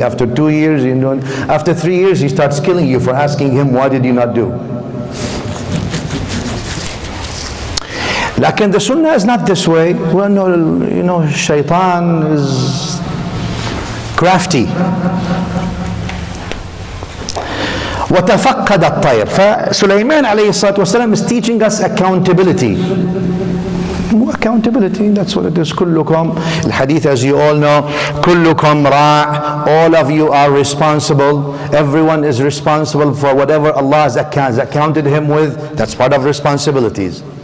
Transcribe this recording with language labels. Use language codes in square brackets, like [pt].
[en] After 2 years, he didn't do anything. After 3 years, he starts killing you for asking him, why did you not do? Lakin the sunnah is not this way. Well, no, you know, shaitan is crafty. [ar] وَتَفَقَّدَ الطَّيْرِ فَسُلَيْمَانْ عَلَيْهِ الصَّلَاةُ وَالسَّلَامُ [en] is teaching us accountability. Accountability, that's what it is. [ar] كلكم الحديث, [en] as you all know, [ar] كلكم راع, [en] all of you are responsible. Everyone is responsible for whatever Allah has accounted him with. That's part of responsibilities.